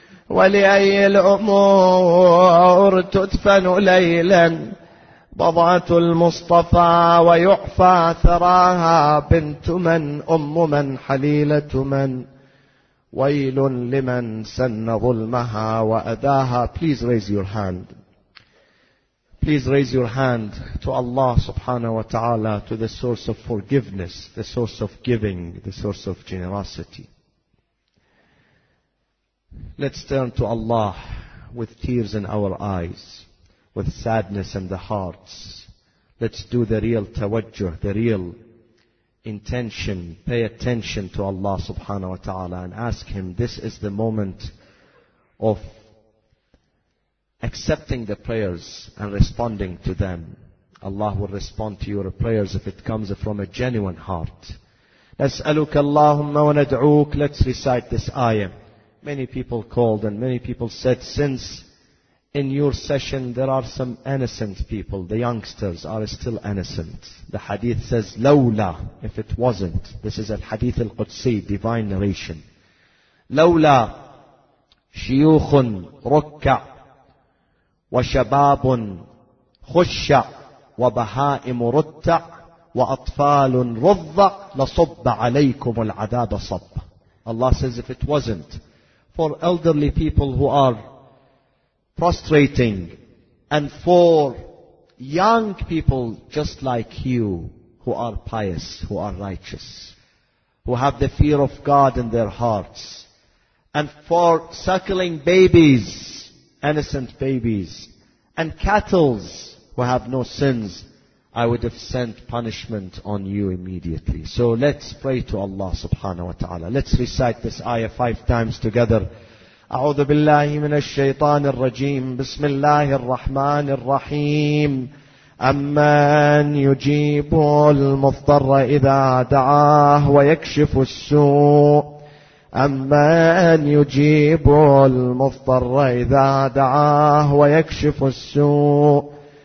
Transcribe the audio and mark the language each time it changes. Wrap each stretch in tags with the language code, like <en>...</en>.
<ar>ولأي الأمور تدفن ليلا بضعة المصطفى ويعفى ثراها بنت من أم من حليلة من ويل لمن سن ظلمها وأداها.</ar> <en>Please raise your hand. Please raise your hand to Allah subhanahu wa ta'ala, to the source of forgiveness, the source of giving, the source of generosity. Let's turn to Allah with tears in our eyes, with sadness in the hearts. Let's do the real tawajjuh, the real intention. Pay attention to Allah subhanahu wa ta'ala and ask Him. This is the moment of accepting the prayers and responding to them. Allah will respond to your prayers if it comes from a genuine heart.</en> <ar>نسألك اللهم وندعوك.</ar> <en>Let's recite this ayah. Many people called and many people said, since in your session there are some innocent people, the youngsters are still innocent. The hadith says, لولا, if it wasn't. This is al-hadith al-Qudsi, divine narration.</en> <ar>لولا شيوخ ركع وشباب خشع وبهائم رتع وأطفال رضع لصب عليكم العذاب صب.</ar> <en>Allah says, if it wasn't for elderly people who are prostrating, and for young people just like you, who are pious, who are righteous, who have the fear of God in their hearts, and for suckling babies, innocent babies, and cattles who have no sins, I would have sent punishment on you immediately. So let's pray to Allah subhanahu wa ta'ala. Let's recite this ayah 5 times together.</en> <ar>أعوذ بالله من الشيطان الرجيم بسم الله الرحمن الرحيم أمن يجيب المضطر إذا دعاه ويكشف السوء أمن يجيب المضطر إذا دعاه ويكشف السوء</ar>